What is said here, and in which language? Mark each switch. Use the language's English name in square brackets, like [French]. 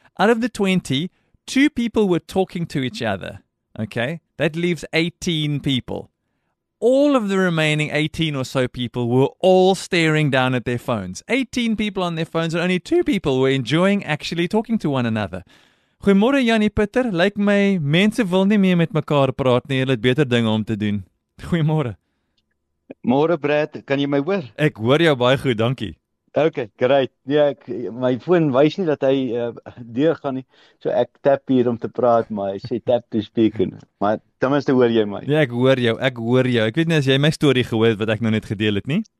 [English] Out of the 20, two people were talking to each other. Okay, that leaves 18 people. All of the remaining 18 or so people were all staring down at their phones. 18 people on their phones and only two people were enjoying actually talking to one another. [Afrikaans] Goeiemôre Jannie Pitter, lyk my mense wil nie meer met mekaar praat nie, hulle het beter dinge om te doen. Goeiemôre. Môre Brad, kan jy my hoor? Ek hoor jou baie goed, dankie. [English] Okay, great. [Afrikaans] Nee, my foon wys nie dat hy deur gaan nie. So ek tap hier om te praat, maar hy sê [English] tap to speak. [Afrikaans] Maar ten minste hoor jy my. Nee, ek hoor jou, ek hoor jou. Ek weet nie as jy my story gehoor het wat ek nou net gedeel het nie.